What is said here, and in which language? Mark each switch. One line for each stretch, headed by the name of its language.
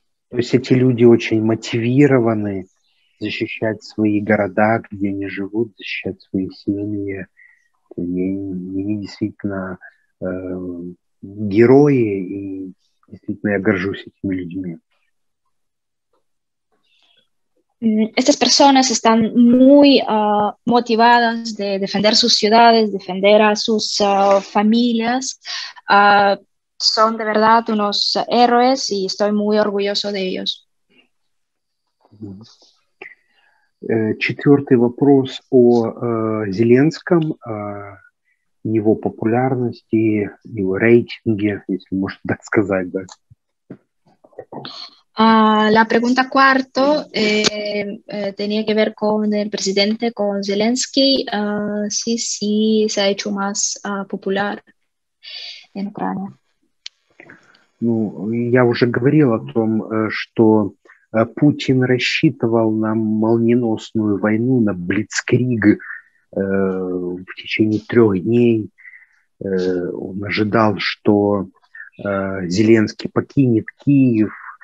Russian: То есть эти люди очень мотивированы защищать свои города, где они живут, защищать свои семьи. Они действительно герои, и действительно я горжусь этими людьми.
Spanish: Estas personas están muy motivadas de defender sus ciudades, defender a sus familias. Son de verdad unos héroes y estoy muy orgulloso de ellos.
Russian: Четвертый вопрос о Зеленском, его популярности, его рейтинге, если можно так сказать, да.
Spanish: La pregunta cuarto tenía que ver con el presidente, con Zelensky. Sí, sí, se ha hecho más popular en Ucrania.
Russian: Ну, я уже говорил о том, что Путин рассчитывал на молниеносную войну, на блицкриг в течение трех дней. Он ожидал, что Зеленский покинет Киев.